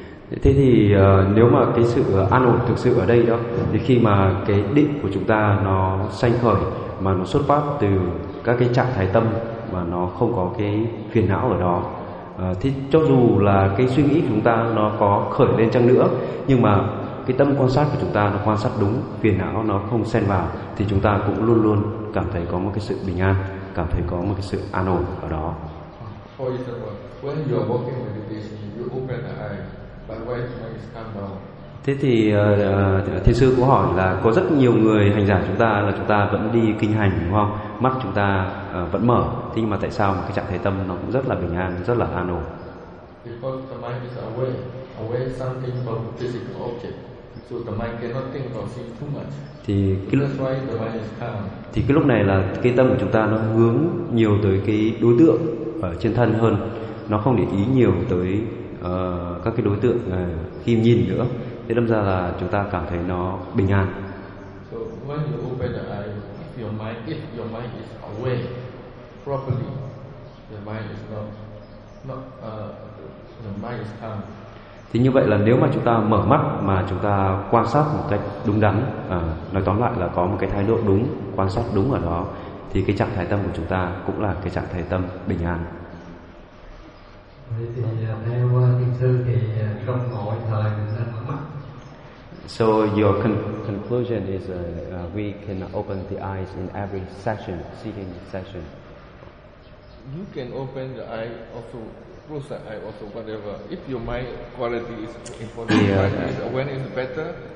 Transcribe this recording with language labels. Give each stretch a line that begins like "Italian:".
Vietnamese: Thế thì nếu mà cái sự an ổn thực sự ở đây đó, thì khi mà cái định của chúng ta nó sanh khởi mà nó xuất phát từ các cái trạng thái tâm mà nó không có cái phiền não ở đó, thì cho dù là cái suy nghĩ của chúng ta nó có khởi lên chăng nữa, nhưng mà cái tâm quan sát của chúng ta nó quan sát đúng, phiền não nó không xen vào, thì chúng ta cũng luôn luôn cảm thấy có một cái sự bình an, cảm thấy có một cái sự an ổn ở đó.
English: For example, when you are walking meditation, you open the eye, but why the mind is calm down?
Vietnamese: Thế thì thiền sư có hỏi là có rất nhiều người hành giả chúng ta là chúng ta vẫn đi kinh hành đúng không? Mắt chúng ta vẫn mở, thế nhưng mà tại sao mà cái trạng thái tâm nó cũng rất là bình an, rất là an ổn?
English: Because the mind is away, away something from physical object, so the mind cannot think about things too much.
Vietnamese: Thì cái lúc này là cái tâm của chúng ta nó hướng nhiều tới cái đối tượng ở trên thân hơn, nó không để ý nhiều tới các cái đối tượng khi nhìn nữa, thế đâm ra là chúng ta cảm thấy nó bình an.
English: So when you open the eye, if your mind is away properly, the mind is the mind is calm.
Vietnamese: Thì như vậy là nếu mà chúng ta mở mắt mà chúng ta quan sát một cách đúng đắn, nói tóm lại là có một cái thái độ đúng, quan sát đúng ở đó, thì cái trạng thái tâm của chúng ta cũng là cái trạng thái tâm bình an. Thì theo thiền sư thì trong mọi thời mình nên mở mắt.
English: So your conclusion is we can open the eyes in every session, sitting session. You can open the eye also, close the eye also, whatever. If your mind quality is important, the awareness is better.